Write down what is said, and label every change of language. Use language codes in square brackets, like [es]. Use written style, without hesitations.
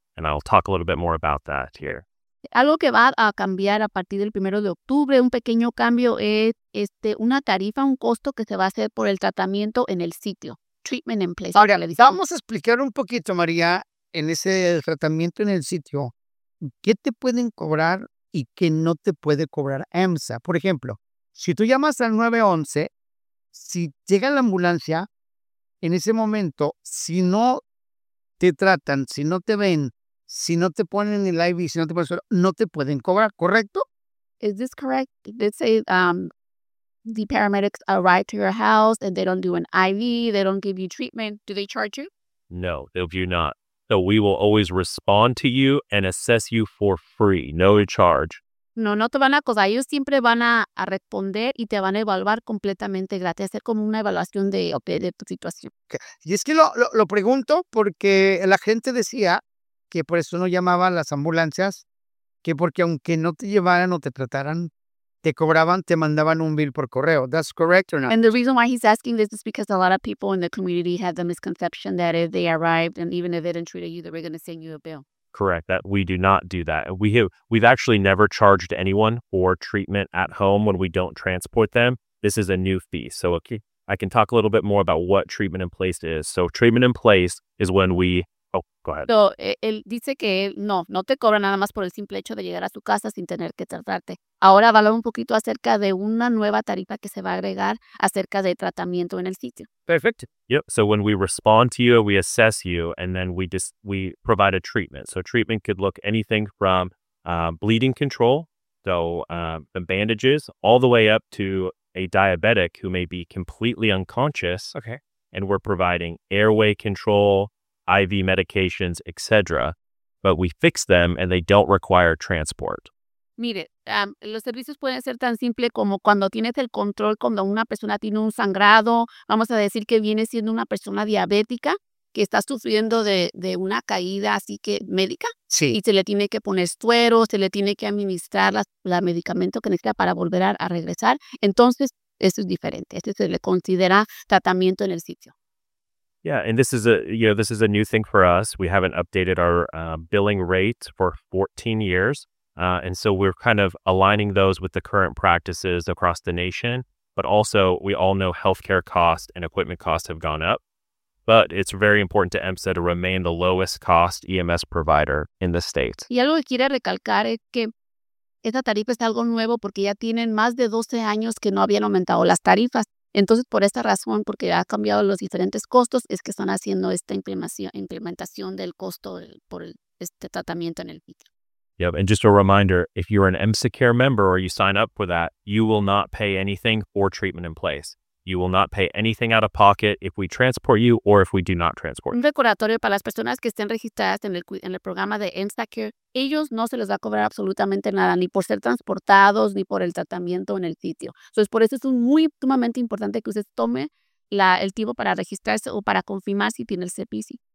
[en] And I'll talk a little bit more about that here. [es] Algo que va a cambiar a partir del 1 de octubre, un pequeño cambio es una tarifa, un costo que se va a hacer por el tratamiento en el sitio. [en] Treatment in place. [es] Ahora, vamos a explicar un poquito, María, en ese tratamiento en el sitio. ¿Qué te pueden cobrar y qué no te puede cobrar EMSA? Por ejemplo, si tú llamas al 911, si llega la ambulancia, en ese momento, si no te tratan, si no te ven, si no te ponen el IV, si no te ponen suero, no te pueden cobrar, ¿correcto? [en] Is this correct? Let's say the paramedics arrive to your house and they don't do an IV, they don't give you treatment, do they charge you? No, they do not. So we will always respond to you and assess you for free, no charge. [es] No, no te van a acosar. Ellos siempre van a responder y te van a evaluar completamente gratis. Hacer como una evaluación de tu situación. [en] Okay. [es] Y es que lo pregunto porque la gente decía que por eso no llamaban las ambulancias, que porque aunque no te llevaran o te trataran, te cobraban, te mandaban un bill por correo. [en] That's correct or not? And the reason why he's asking this is because a lot of people in the community have the misconception that if they arrived and even if they didn't treat you, they were going to send you a bill. Correct. That we do not do that. We've actually never charged anyone for treatment at home when we don't transport them. This is a new fee. So okay, I can talk a little bit more about what treatment in place is. So treatment in place is when we... Oh, go ahead. [es] So, él dice que no te cobra nada más por el simple hecho de llegar a su casa sin tener que tratarte. Ahora va a hablar un poquito acerca de una nueva tarifa que se va a agregar acerca de tratamiento en el sitio. [en] Perfect. Yep. So when we respond to you, we assess you, and then we provide a treatment. So treatment could look anything from bleeding control, so the bandages, all the way up to a diabetic who may be completely unconscious. Okay. And we're providing airway control, IV medications, etc. But we fix them and they don't require transport. [es] Mire, los servicios pueden ser tan simple como cuando tienes el control, cuando una persona tiene un sangrado, vamos a decir que viene siendo una persona diabética que está sufriendo de una caída así que médica. Sí. Y se le tiene que poner suero, se le tiene que administrar la medicamento que necesita para volver a regresar. Entonces, eso es diferente. Eso se le considera tratamiento en el sitio. [en] Yeah, and this is a new thing for us. We haven't updated our billing rate for 14 years. And so we're kind of aligning those with the current practices across the nation. But also, we all know healthcare costs and equipment costs have gone up. But it's very important to EMSA to remain the lowest cost EMS provider in the state. [es] Y algo que quiere recalcar es que esta tarifa es algo nuevo porque ya tienen más de 12 años que no habían aumentado las tarifas. Entonces, por esta razón, porque ha cambiado los diferentes costos, es que están haciendo esta implementación del costo por este tratamiento en el sitio. [en] Yep, and just a reminder, if you're an EMSA Care member or you sign up for that, you will not pay anything for treatment in place. You will not pay anything out of pocket if we transport you or if we do not transport you. [es] Un recordatorio para las personas que estén registradas en el programa de EMSA Care, ellos no se les va a cobrar absolutamente nada, ni por ser transportados, ni por el tratamiento en el sitio. Entonces, por eso es muy sumamente importante que usted tome el tiempo para registrarse o para confirmar si tiene el servicio.